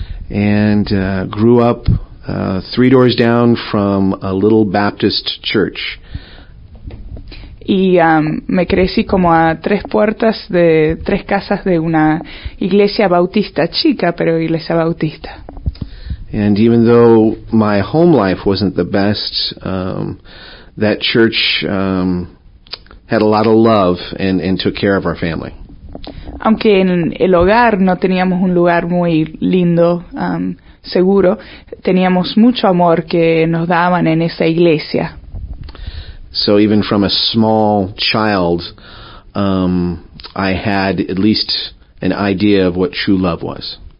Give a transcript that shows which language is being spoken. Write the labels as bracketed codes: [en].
[en] And grew up three doors down from a little Baptist church. [es] Y me crecí como a tres puertas de tres casas de una iglesia bautista chica, pero iglesia bautista. [en] And even though my home life wasn't the best, that church had a lot of love and took care of our family. [es] Aunque en el hogar no teníamos un lugar muy lindo, seguro, teníamos mucho amor que nos daban en esa iglesia. [en] So even from a small child, I had at least an idea of what true love was.